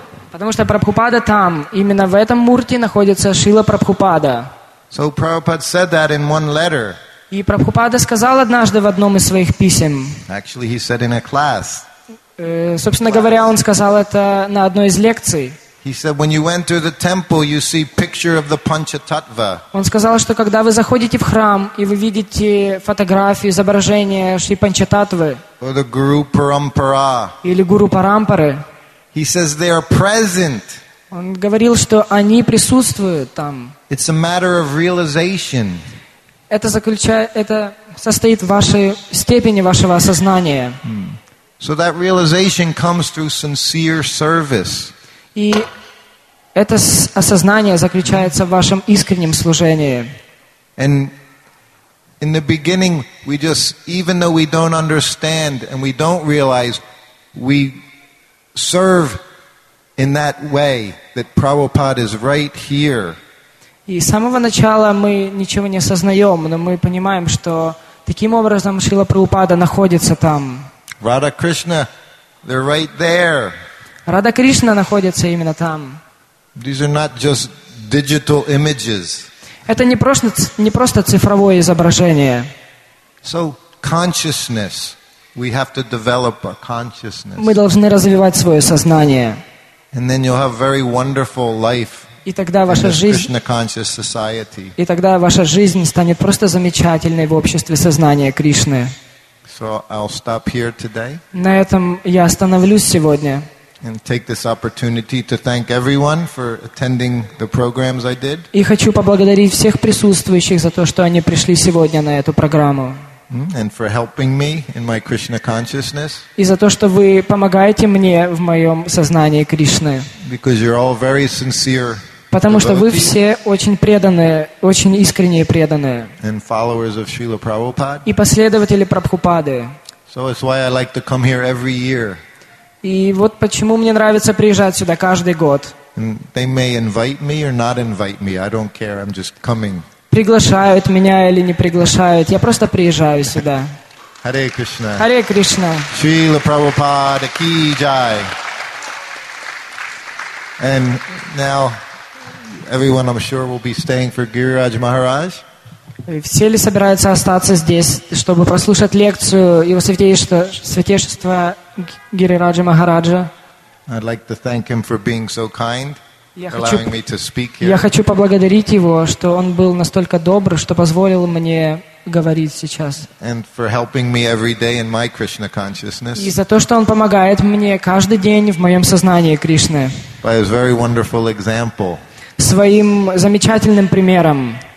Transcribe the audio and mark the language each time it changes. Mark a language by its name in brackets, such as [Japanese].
[Russian] Потому что Прабхупада там. Именно в этом мурте находится Шрила Прабхупада. [English] So Prabhupada said that in one letter. [Russian] И Прабхупада сказал однажды в одном из своих писем. [English] Actually, he said in a class. [Russian] Собственно говоря, он сказал это на одной из лекций. [English] He said, when you enter the temple, you see picture of the Panchatattva. [Russian] Он сказал, что когда вы заходите в храм и вы видите фотографию, изображение Шри Панчататвы. [English] Or the Guru Parampara. [Russian] Или Гуру Парампары. [English] He says they are present. [Russian] Он говорил, что они присутствуют там. [English] It's a matter of realization. [Russian] Это состоит в вашей степени вашего осознания. [English] So that realization comes through sincere service. [Russian] И это осознание заключается в вашем искреннем служении. [English] And in the beginning, we just, even though we don't understand and we don't realize, we serve in that way that Prabhupada is right here. [Russian] И с самого начала мы ничего не осознаем, но мы понимаем, что таким образом Шрила Прабхупада находится там. [English] Radha Krishna, they're right there. [Russian] Радха Кришна находится именно там. [English] These are not just digital images. [Russian] Это не просто цифровое изображение. [English] So consciousness, we have to develop a consciousness. [Russian] Мы должны развивать свое сознание. [English] And then you'll have very wonderful life. [Russian] И тогда ваша жизнь станет просто замечательной в обществе сознания Кришны. [English] So I'll stop here today. [Russian] На этом я остановлюсь сегодня. [English] And take this opportunity to thank everyone for attending the programs I did. [Russian] И хочу поблагодарить всех присутствующих за то, что они пришли сегодня на эту программу. [English] And for helping me in my Krishna consciousness. [Russian] И за то, что вы помогаете мне в моем сознании Кришны. [English] Because you're all very sincere. [Russian] Потому что вы все очень преданные, очень искренние преданные. [English] And followers of Srila Prabhupada. [Russian] И последователи Прабхупады. [English] So it's why I like to come here every year. [Russian] И вот почему мне нравится приезжать сюда каждый год. [English] They may invite me or not invite me. I don't care. I'm just coming. [Russian] Приглашают меня или не приглашают. Я просто приезжаю сюда. [English] Hare Krishna. Hare Krishna. Srila Prabhupada ki jai. And now everyone, I'm sure, will be staying for Giriraj Maharaj. [Russian] Все ли собираются остаться здесь, чтобы прослушать лекцию Его Святейшества Гирираджа Махараджа? [English] I'd like to thank him for being so kind, allowing me to speak here. [Russian] Я хочу поблагодарить его, что он был настолько добр, что позволил мне говорить сейчас. [English] And for helping me every day in my Krishna consciousness. [Russian] И за то, что он помогает мне каждый день в моем сознании Кришны. [English] By his very wonderful example. [Russian] Своим замечательным примером.